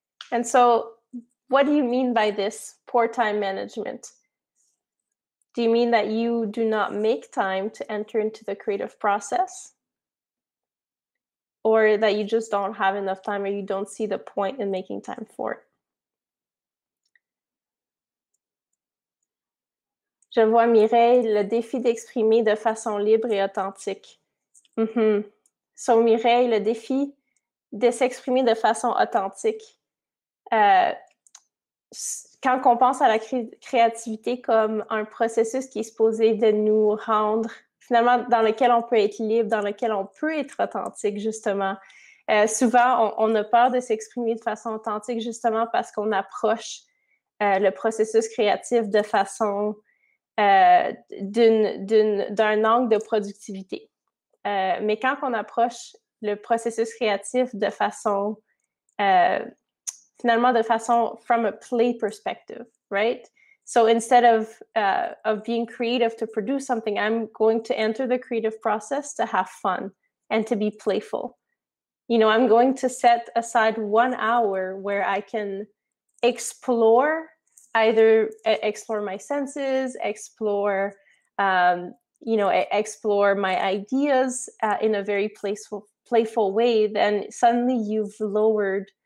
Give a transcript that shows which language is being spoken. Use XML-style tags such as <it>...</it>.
<en>And so, what do you mean by this, poor time management? Do you mean that you do not make time to enter into the creative process? Or that you just don't have enough time or you don't see the point in making time for it?</en> <fr>Je vois Mireille, le défi d'exprimer de façon libre et authentique. Mm-hmm. So Mireille, le défi de s'exprimer de façon authentique. Quand on pense à la créativité comme un processus qui est supposé de nous rendre, finalement, dans lequel on peut être libre, dans lequel on peut être authentique, justement, souvent, on a peur de s'exprimer de façon authentique, justement, parce qu'on approche le processus créatif de façon... d'un angle de productivité. Mais quand on approche le processus créatif de façon, finalement, de façon</fr> <en>from a play perspective, right? So instead of being creative to produce something, I'm going to enter the creative process to have fun and to be playful. You know, I'm going to set aside 1 hour where I can explore either explore my senses, explore, you know, explore my ideas in a very playful way, then suddenly you've lowered,</en>